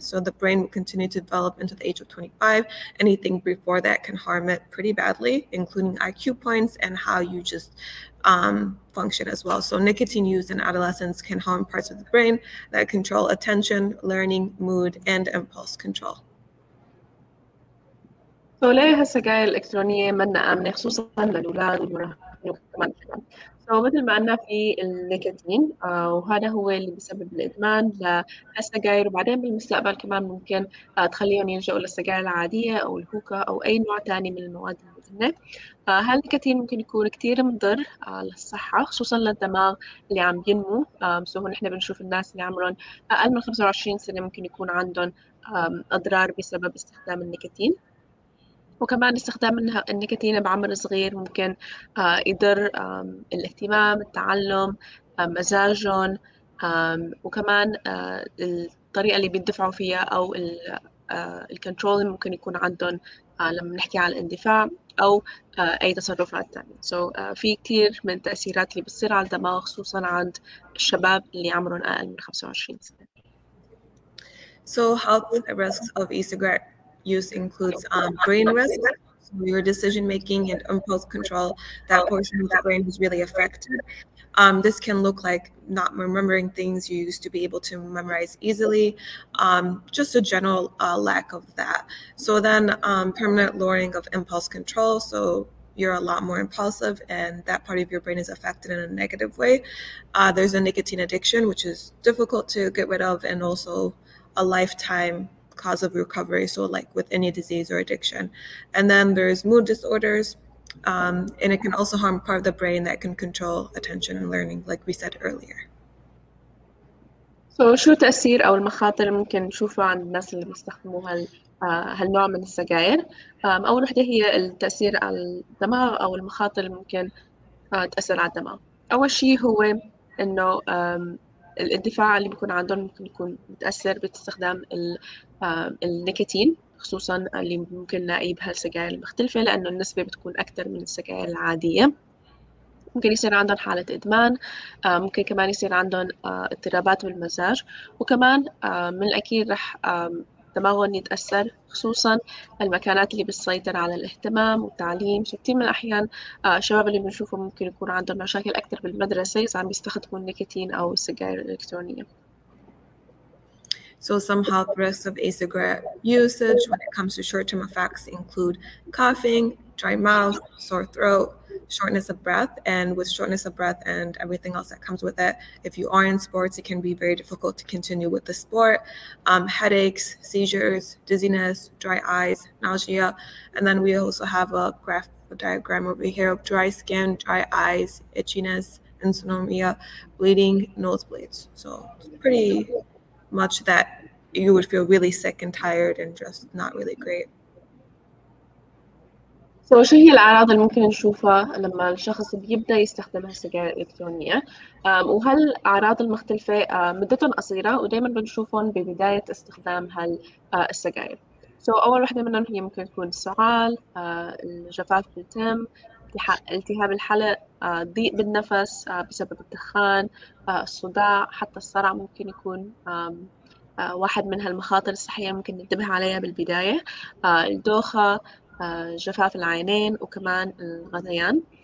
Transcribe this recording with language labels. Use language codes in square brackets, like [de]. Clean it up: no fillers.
[en] So the brain will continue to develop into the age of 25. Anything before that can harm it pretty badly, including IQ points and how you just function as well. So nicotine use in adolescence can harm parts of the brain that control attention, learning, mood, and impulse control. [ar] So ليه هالسجاير الإلكترونية منا آمنة خصوصا للأولاد والمراهقين؟ So مثل ما قلنا في النيكوتين وهذا هو اللي بسبب الإدمان للسجاير، وبعدين بالمستقبل كمان ممكن تخليهم يلجأوا للسجاير العادية أو الهوكا أو أي نوع تاني من المواد المدمنة. فهالنيكوتين ممكن يكون كتير مضر للصحة، خصوصا للدماغ اللي عم ينمو. سو نحن بنشوف الناس اللي عمرهم أقل من 25 سنة ممكن يكون عندهم أضرار بسبب استخدام النيكوتين. وكمان استخدام النيكوتين بعمر صغير ممكن يضر الاهتمام، التعلم، مزاجهم، وكمان الطريقة اللي بيدفعوا فيها أو الكنترول ممكن يكون عندهم لما نحكي على الاندفاع أو أي تصرفات تانية. So في كثير من التأثيرات اللي بتصير على الدماغ خصوصا عند الشباب اللي عمرهم أقل من 25 سنة. [en] So how the risks of e-cigarette use includes brain risk, so your decision making and impulse control, that portion of the brain is really affected. This can look like not remembering things you used to be able to memorize easily, just a general lack of that. So then permanent lowering of impulse control, so you're a lot more impulsive and that part of your brain is affected in a negative way. There's a nicotine addiction, which is difficult to get rid of, and also a lifetime cause of recovery, so like with any disease or addiction. And then there's mood disorders, and it can also harm part of the brain that can control attention and learning, like we said earlier. [ar] So شو التأثير أو المخاطر ممكن نشوفها عند الناس اللي بيستخدموا هالنوع من السجائر؟ أول واحدة هي التأثير على الدماغ أو المخاطر ممكن تأثر على الدماغ. أول شيء هو إنه الاندفاع اللي بيكون عندهم ممكن يكون متأثر باستخدام النيكوتين، خصوصا اللي ممكن نلاقيه بهالسجاير المختلفة لأنه النسبة بتكون أكثر من السجاير العادية. ممكن يصير عندهم حالة إدمان، ممكن كمان يصير عندهم اضطرابات بالمزاج، وكمان من الأكيد رح دماغهم يتأثر، خصوصا المكانات اللي بتسيطر على الاهتمام والتعليم. كثير من الأحيان الشباب اللي بنشوفهم ممكن يكون عندهم مشاكل أكثر بالمدرسة إذا عم بيستخدموا النيكوتين أو السجاير الإلكترونية. [en] So some health risks of e-cigarette usage when it comes to short-term effects include coughing, dry mouth, sore throat, shortness of breath, and with shortness of breath and everything else that comes with it, if you are in sports, it can be very difficult to continue with the sport, headaches, seizures, dizziness, dry eyes, nausea, and then we also have a graph diagram over here of dry skin, dry eyes, itchiness, insomnia, bleeding, nosebleeds, so it's pretty much that you would feel really sick and tired and just not really great. [ar] So شو هي الأعراض اللي ممكن نشوفها لما الشخص بيبدأ يستخدم السجائر الإلكترونية؟ وهالأعراض المختلفة مدتهم قصيرة ودائما بنشوفهم ببداية استخدام هالسجائر. So أول واحدة منهم هي ممكن تكون سعال، الجفاف بالتم، التهاب الحلق، ضيق بالنفس بسبب الدخان، الصداع، حتى الصرع ممكن يكون واحد من هالمخاطر الصحية ممكن ننتبه عليها بالبداية، الدوخة، جفاف العينين، وكمان الغثيان.